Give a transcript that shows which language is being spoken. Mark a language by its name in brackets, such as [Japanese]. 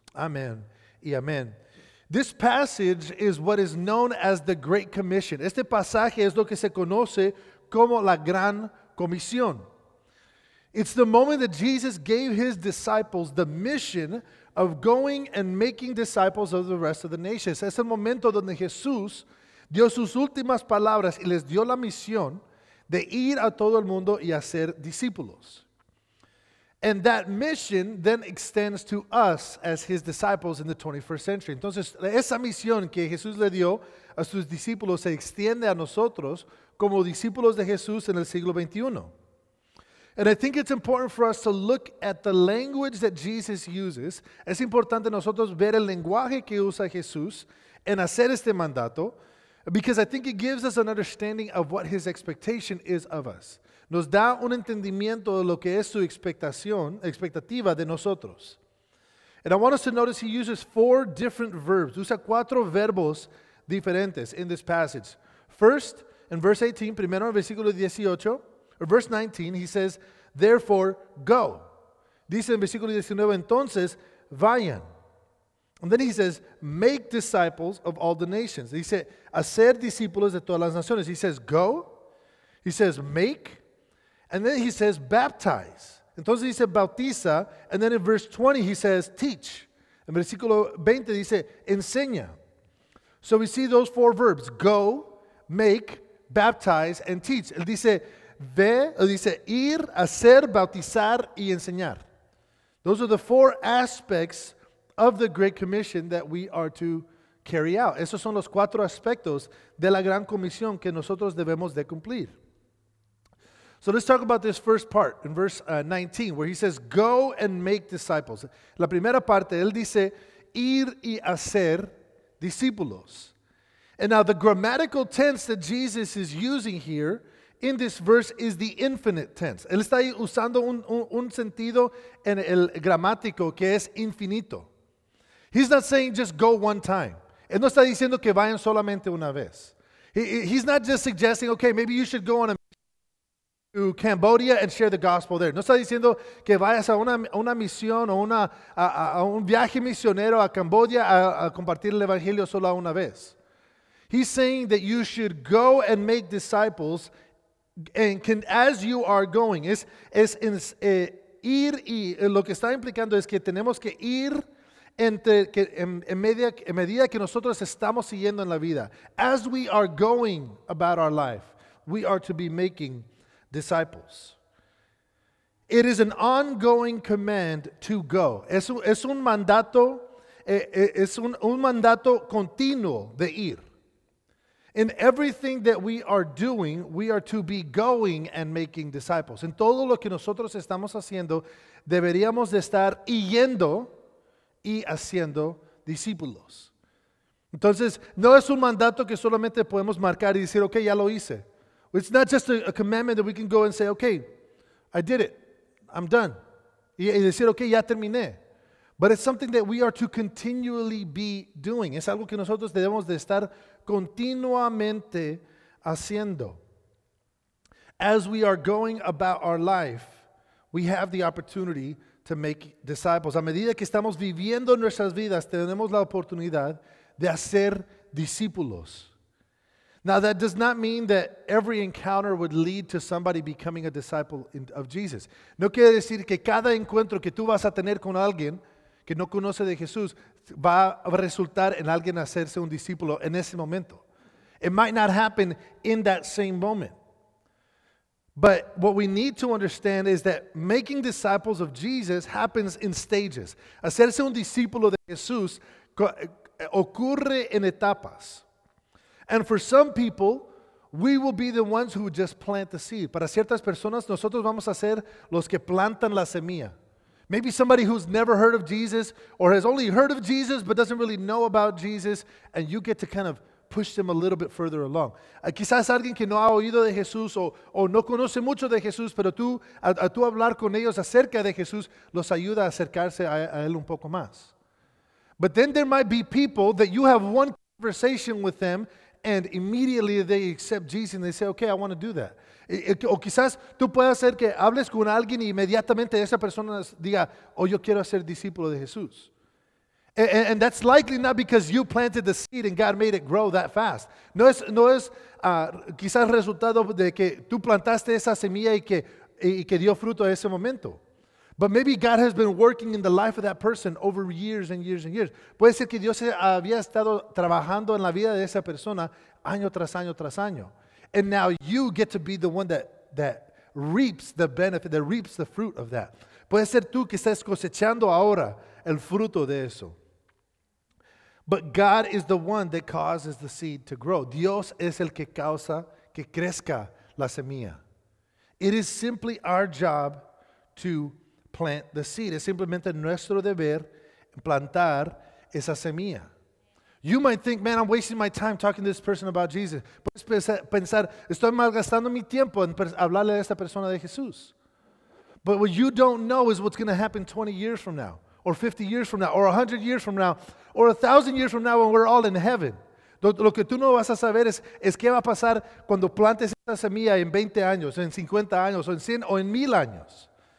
[English] Amen y amen. This passage is what is known as the Great Commission. [Spanish] Este pasaje es lo que se conoce como la Gran Comisión. [English] It's the moment that Jesus gave his disciples the mission of going and making disciples of the rest of the nations. [Spanish] Es el momento donde Jesús dio sus últimas palabras y les dio la misión de ir a todo el mundo y hacer discípulos. [English] And that mission then extends to us as his disciples in the 21st century. [Spanish] Entonces, esa misión que Jesús le dio a sus discípulos se extiende a nosotros como discípulos de Jesús en el siglo 21. [English] And I think it's important for us to look at the language that Jesus uses. [Spanish] Es importante nosotros ver el lenguaje que usa Jesús en hacer este mandato, [English] because I think it gives us an understanding of what his expectation is of us. [Spanish] Nos da un entendimiento de lo que es su expectativa de nosotros. [English] And I want us to notice he uses four different verbs. [Spanish] Usa cuatro verbos diferentes [English] in this passage. First, in verse 18, [Spanish] primero en versículo 18, [English] or verse 19, he says, therefore, go. [Spanish] Dice en versículo 19, entonces, vayan. [English] And then he says, make disciples of all the nations. [Spanish] Dice, hacer discípulos de todas las naciones. [English] He says, go. He says, make. And then he says, baptize. [Spanish] Entonces dice, bautiza. [English] And then in verse 20, he says, teach. [Spanish] En versículo 20, dice, enseña. [English] So we see those four verbs, go, make, baptize, and teach. [Spanish] Él dice, ve, él dice, ir, hacer, bautizar, y enseñar. [English] Those are the four aspects of the Great Commission that we are to carry out. [Spanish] Esos son los cuatro aspectos de la Gran Comisión que nosotros debemos de cumplir. [English] So let's talk about this first part in verse 19, where he says, go and make disciples. [Spanish] La primera parte, él dice, ir y hacer discípulos. [English] And now the grammatical tense that Jesus is using here in this verse is the infinite tense. [Spanish] Él está ahí usando un sentido en el gramático que es infinito. [English] He's not saying just go one time. [Spanish] Él no está diciendo que vayan solamente una vez. [English] He's not just suggesting, okay, maybe you should go on a mission to Cambodia and share the gospel there. [Spanish] No está diciendo que vayas a una misión o a un viaje misionero a Cambodia a compartir el evangelio solo una vez. [English] He's saying that you should go and make disciples and can, as you are going. [Spanish] Es ir y lo que está implicando es que tenemos que ir en medida que nosotros estamos siguiendo en la vida. [English] As we are going about our life, we are to be making disciples. It is an ongoing command to go. [Spanish] Es un mandato continuo de ir. [English] In everything that we are doing, we are to be going and making disciples. [Spanish] En todo lo que nosotros estamos haciendo, deberíamos de estar yendo y haciendo discípulos. Entonces, no es un mandato que solamente podemos marcar y decir, okay, ya lo hice. [English] It's not just a commandment that we can go and say, okay, I did it, I'm done. [Spanish] Y decir, okay, ya terminé. [English] But it's something that we are to continually be doing. [Spanish] Es algo que nosotros debemos de estar continuamente haciendo. [English] As we are going about our life, we have the opportunity to make disciples. [Spanish] A medida que estamos viviendo nuestras vidas, tenemos la oportunidad de hacer discípulos. [English] Now, that does not mean that every encounter would lead to somebody becoming a disciple of Jesus. [Spanish] No quiere decir que cada encuentro que tú vas a tener con alguien que no conoce de Jesús va a resultar en alguien hacerse un discípulo en ese momento. [English] It might not happen in that same moment. But what we need to understand is that making disciples of Jesus happens in stages. [Spanish] Hacerse un discípulo de Jesús ocurre en etapas. [English] And for some people, we will be the ones who just plant the seed. [Spanish] Para ciertas personas, nosotros vamos a ser los que plantan la semilla. [English] Maybe somebody who's never heard of Jesus or has only heard of Jesus but doesn't really know about Jesus, and you get to kind of push them a little bit further along. [Spanish] Quizás alguien que no ha oído de Jesús o no conoce mucho de Jesús, pero tú, a tú hablar con ellos acerca de Jesús, los ayuda a acercarse a él un poco más. [English] But then there might be people that you have one conversation with them and immediately they accept Jesus and they say, okay, I want to do that. [Spanish] O quizás tú puedas hacer que hables con alguien y inmediatamente esa persona diga, oh, yo quiero ser discípulo de Jesús. [English] And that's likely not because you planted the seed and God made it grow that fast. [Spanish] No es quizás resultado de que tú plantaste esa semilla y que y que dio fruto a ese momento. [English] But maybe God has been working in the life of that person over years and years and years. [Spanish] Puede ser que Dios había estado trabajando en la vida de esa persona año tras año tras año. [English] And now you get to be the one that reaps the benefit, that reaps the fruit of that. [Spanish] Puede ser tú que estás cosechando ahora el fruto de eso. [English] But God is the one that causes the seed to grow. [Spanish] Dios es el que causa que crezca la semilla. [English] It is simply our job to plant the seed. [Spanish] Es simplemente nuestro deber plantar esa semilla. [English] You might think, man, I'm wasting my time talking to this person about Jesus. [Spanish] Puedes pensar, estoy malgastando mi tiempo en hablarle a esta persona de Jesús. [English] But what you don't know is what's going to happen 20 years from now, or 50 years from now, or 100 years from now, or 1,000 years from now when we're all in heaven. [Spanish] Lo que tú no vas a saber es qué va a pasar cuando plantes esta semilla en 20 años, en 50 años, o en 100, o en 1,000 años.